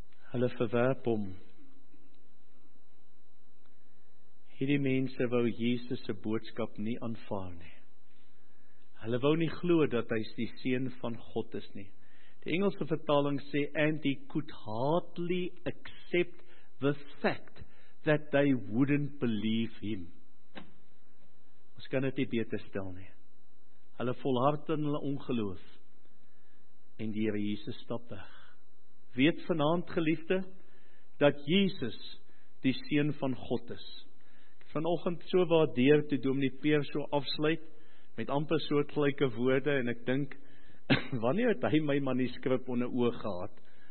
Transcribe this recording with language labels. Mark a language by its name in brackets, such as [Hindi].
[Afrikaans] Hulle verwerp hom. hierdie mense wou Jesus se boodskap nie aanvaar nie. Hulle wou nie glo dat hy die seun van God is nie. Die Engelse vertaling sê, [English] and he could hardly accept the fact that they wouldn't believe him. [Afrikaans] Ons kan dit nie beter stel nie. Hulle volhard in hulle ongeloof en die Here Jesus stap weg. Weet vanaand, geliefde, dat Jesus die seun van God is. Vanoggend so waardeer toe Dominee Peer so afsluit met amper soortgelyke woorde en ek dink wanneer het hy my manuskrip onder oog gehad?